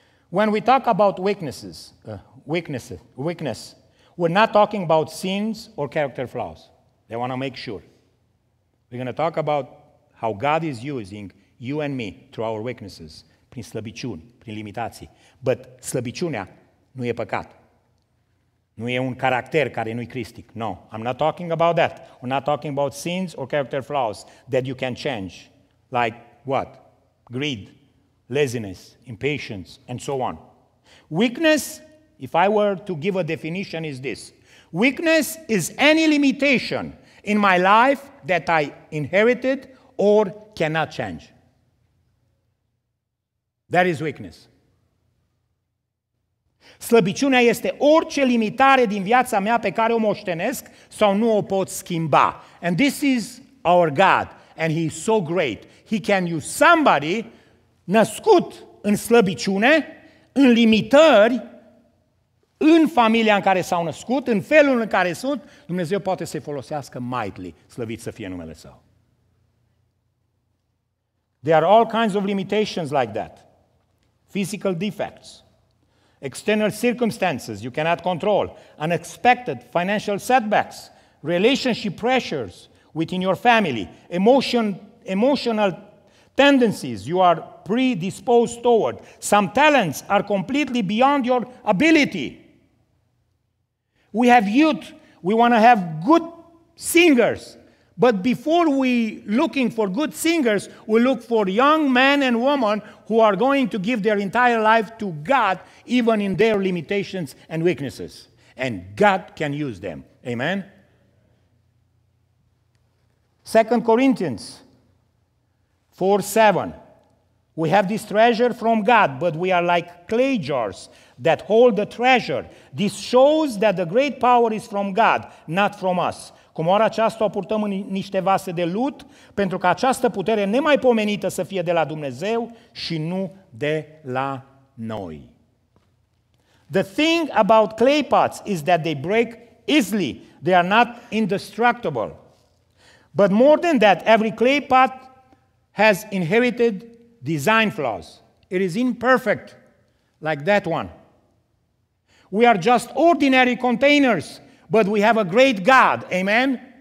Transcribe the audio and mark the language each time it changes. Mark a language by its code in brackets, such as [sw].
[en] When we talk about weakness, we're not talking about sins or character flaws. They want to make sure. We're going to talk about how God is using you and me through our weaknesses, [ro] prin slăbiciuni, prin limitații. But slăbiciunea nu e păcat. Nu e un caracter care nu e cristic. [en] No, I'm not talking about that. We're not talking about sins or character flaws that you can change. Like what? Greed, laziness, impatience, and so on. Weakness, if I were to give a definition, is this. Weakness is any limitation in my life that I inherited or cannot change. That is weakness. [ro] Slăbiciunea este orice limitare din viața mea pe care o moștenesc sau nu o pot schimba. [en] And this is our God, and he is so great. He can use somebody [ro] născut în slăbiciune, în limitări, în familia în care s-au născut, în felul în care sunt, Dumnezeu poate să-i folosească mightily, slăvit să fie numele Său. [en] There are all kinds of limitations like that. Physical defects. external circumstances you cannot control, unexpected financial setbacks, relationship pressures within your family, emotional tendencies you are predisposed toward. Some talents are completely beyond your ability. We have youth, we want to have good singers. But before we looking for good singers, we look for young men and women who are going to give their entire life to God, even in their limitations and weaknesses. And God can use them. Amen? 2 Corinthians 4:7. We have this treasure from God, but we are like clay jars that hold the treasure. This shows that the great power is from God, not from us. [ro] Cum oare aceasta o purtăm în niște vase de lut, pentru că această putere nemaipomenită să fie de la Dumnezeu și nu de la noi. [en] The thing about clay pots is that they break easily. They are not indestructible. But more than that, every clay pot has inherited design flaws. It is imperfect, like that one. We are just ordinary containers, but we have a great God. Amen?